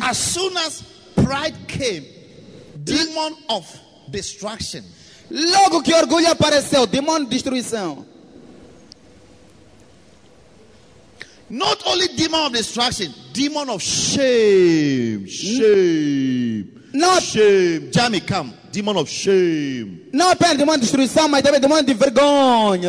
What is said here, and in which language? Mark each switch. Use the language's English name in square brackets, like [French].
[English] As soon as pride came, demon of destruction. [Portuguese] Logo que orgulho apareceu, demônio de destruição. [English] Not only demon of destruction, demon of shame. Shame. Not shame. Jamie, come. Demon of shame. [Portuguese] Não apenas demônio de destruição, mas também demônio de vergonha.